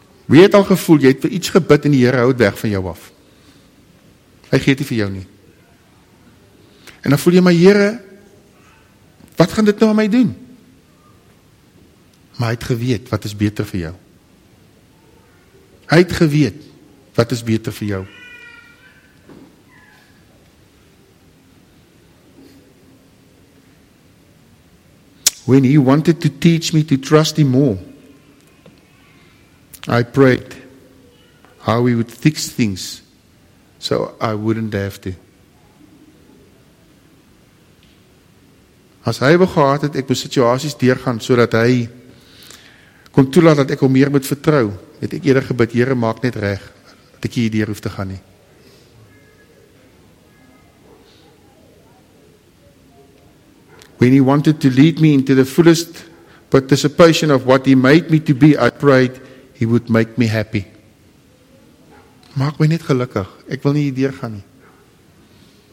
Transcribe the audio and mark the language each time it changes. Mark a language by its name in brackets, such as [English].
[Afrikaans] Wie het al gevoel, jy het vir iets gebid en die Here hou het weg van jou af. Hy gee dit vir jou nie. En dan voel jy, my Here, wat gaan dit nou aan my doen? Maar hy het geweet, wat is beter vir jou. Hy het geweet, wat is beter vir jou. [English] When he wanted to teach me to trust him more, I prayed how he would fix things so I wouldn't have to. [Afrikaans] As hy begaat het, ek moet situasies deurgaan, so dat hy kon toelaat dat ek hom meer moet vertrou, het ek eerder gebid, Here, maak net reg, dat ek hier deur hoef te gaan nie. [English] When he wanted to lead me into the fullest participation of what he made me to be, I prayed he would make me happy. [Afrikaans] Maak my net gelukkig. Ek wil nie hier deurgaan nie.